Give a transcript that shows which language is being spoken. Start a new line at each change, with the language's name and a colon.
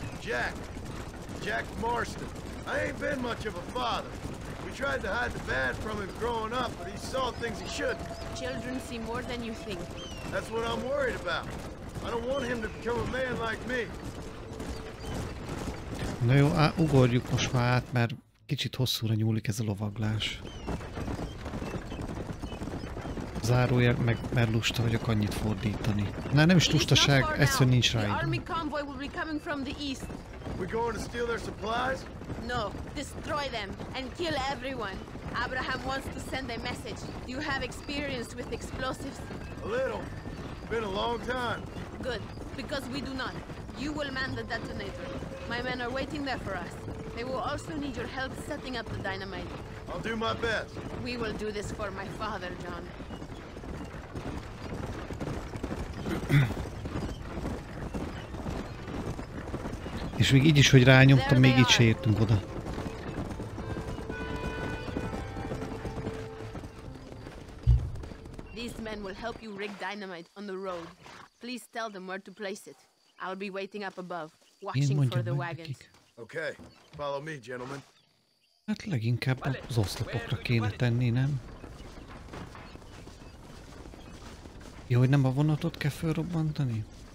English: Jack. Jack Marston. I ain't been much of a father. We tried to hide the bad from him growing up, but he saw things he shouldn't. Children see more than you think. That's what I'm worried about. I don't want him to become a man like me.
Hungarian: Na jó, ugorjuk most már át, mert kicsit hosszúra nyúlik ez a lovaglás. Zárójel, meg mert lusta vagyok annyit fordítani. Na, nem is lustaság, egyszerűen nincs rá idő.
English: The army convoy will be coming from the east. We going to steal their supplies? No, destroy them and kill everyone. Abraham wants to send a message. You have experience with explosives? A little. Been a long time. Good, because we do not. You will man the detonator. My men are waiting there for us. They will also need your help setting up the dynamite. I'll do my best. We will do this for my father, John.
Hungarian: És még így is, hogy rányomtam, még így se értünk oda.
English: These men will help you rig dynamite on the road. Please tell them where to place it. I'll be waiting up above, watching for the wagons. Okay, follow me, gentlemen.
Hungarian: Hát leginkább az oszlopokra kéne tenni, nem? Jó, hogy nem a vonatot kell felrobbantani?